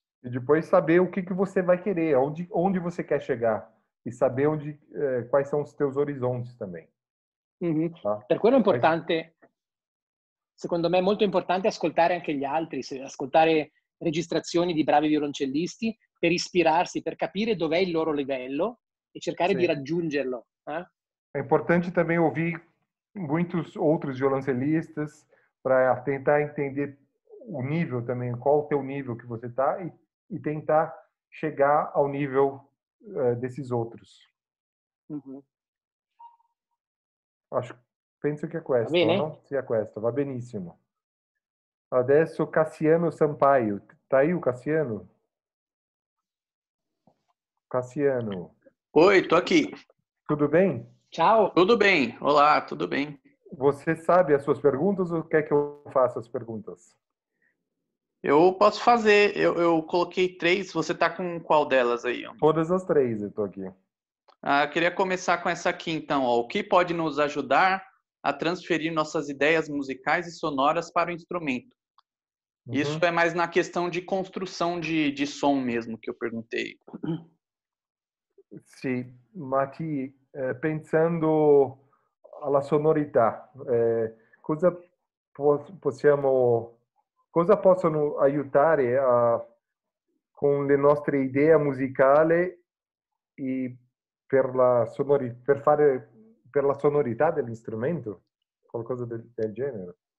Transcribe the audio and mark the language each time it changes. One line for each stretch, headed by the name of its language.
Portuguese: E depois saber o que você vai querer, onde você quer chegar. E saber quais são os teus horizontes também. Tá?
Italian: Per quello è importante, secondo me è molto importante ascoltare anche gli altri, ascoltare registrazioni di bravi violoncellisti per ispirarsi, per capire dov'è il loro livello e cercare di raggiungerlo.
Portuguese: È importante também ouvir muitos outros violoncellistas para tentar entender o nível também, qual o teu nível que você está e tentar chegar ao nível desses outros. Penso que é questo, não? Se é questo, va benissimo. Adesso Cassiano Sampaio. Tá aí o Cassiano? Cassiano. Oi, tô aqui. Tudo bem? Tchau. Tudo bem. Olá, tudo bem. Você sabe as suas perguntas ou quer que eu faça as perguntas? Eu posso fazer. Eu coloquei três. Você está com qual delas aí? Todas as três eu estou aqui. Ah, eu queria começar com essa aqui, então. O que pode nos ajudar a transferir nossas ideias musicais e sonoras para o instrumento? Uhum. Isso é mais na questão de construção de som mesmo que eu perguntei.
Italian: Sim, Mati, pensando alla sonorità, cosa possono aiutare con le nostre idee musicali e per la sonorità dell'strumento, qualcosa del genere?